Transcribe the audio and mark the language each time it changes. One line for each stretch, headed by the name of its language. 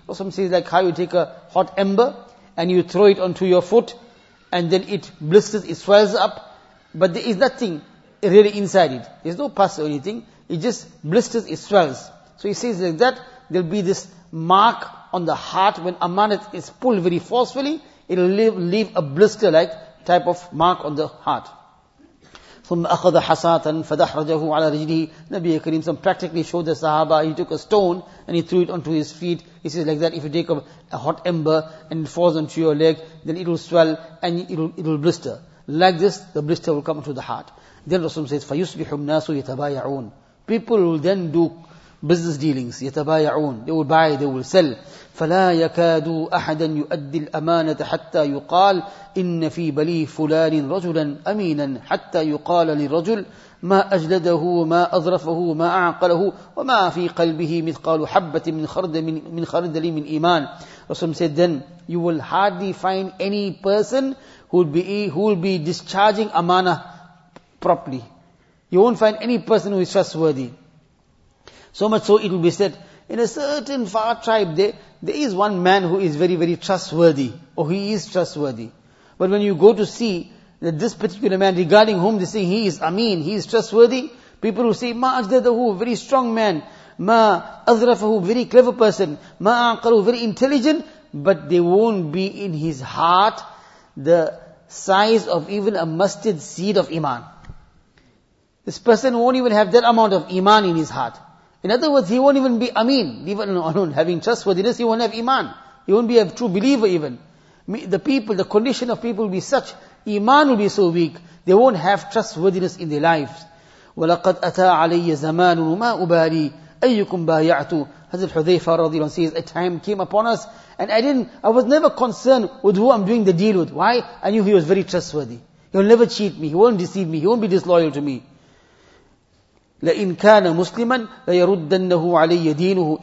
English: Or some say like how you take a hot ember and you throw it onto your foot and then it blisters, it swells up, but there is nothing really inside it. There's no pus or anything. It just blisters, it swells. So he says like that, there'll be this mark on the heart when amanat is pulled very forcefully, it'll leave a blister-like type of mark on the heart.
Arabic: ثُمَّ أَخَذَ حَسَاتًا فَدَحْرَجَهُ عَلَى رِجْلِهِ.
English: Nabi Kareem some practically showed the Sahaba, he took a stone and he threw it onto his feet. He says like that, if you take a hot ember and it falls onto your leg, then it will swell and it will blister. Like this, the blister will come to the heart. Then Rasulullah says,
Arabic: فَيُصْبِحُ النَّاسُ يَتَبَايَعُونَ.
English: People will then do business dealings.
Arabic: يتبايعون.
English: They will buy, they will sell.
Arabic: فلا يكاد أحدا يؤدي الأمانة حتى يقال إن في بلي فلان رجلا أمينا حتى يقال للرجل ما أجلده وما أظرفه وما أعقله وما في قلبه مثقال حبة من خردل من إيمان.
English: Rasulullah said then, you will hardly find any person who will be discharging amana properly. You won't find any person who is trustworthy. So much so, it will be said, in a certain far tribe there is one man who is very, very trustworthy, or he is trustworthy. But when you go to see that this particular man, regarding whom they say he is Amin, he is trustworthy, people will say, Ma ajdadahu, very strong man, Ma azrafahu, very clever person, Ma aqaru, very intelligent, but they won't be in his heart the size of even a mustard seed of Iman. This person won't even have that amount of Iman in his heart. In other words, he won't even be Amin. Even alone, having trustworthiness, he won't have Iman. He won't be a true believer even. The people, the condition of people will be such, Iman will be so weak, they won't have trustworthiness in their lives.
Arabic: وَلَقَدْ أَتَى عَلَيَّ زَمَانٌ مَا أُبَارِي أَيُّكُمْ بَايَعْتُ.
English: Hazrat Hudhayfa رضي الله عنه says, a time came upon us, and I was never concerned with who I'm doing the deal with. Why? I knew he was very trustworthy. He'll never cheat me, he won't deceive me, he won't be disloyal to me.
Arabic: لَإِنْ كَانَ مُسْلِمًا لَيَرُدَّنَّهُ عَلَيَّ دِينُهُ.